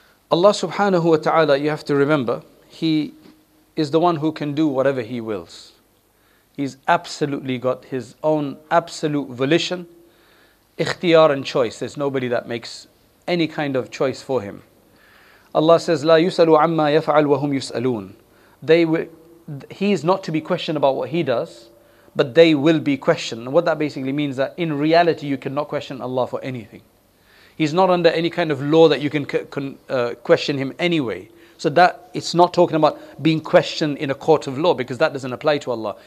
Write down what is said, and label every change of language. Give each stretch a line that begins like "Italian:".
English: Allah subhanahu wa ta'ala, you have to remember, He is the one who can do whatever He wills. He's absolutely got His own absolute volition, ikhtiyar and choice. There's nobody that makes any kind of choice for Him.
Arabic: Allah says, لا يسألوا عما يفعل وهم يسألون.
English: He is not to be questioned about what He does, but they will be questioned. And what that basically means that in reality, you cannot question Allah for anything. He's not under any kind of law that you can question Him anyway. So that it's not talking about being questioned in a court of law, because that doesn't apply to Allah.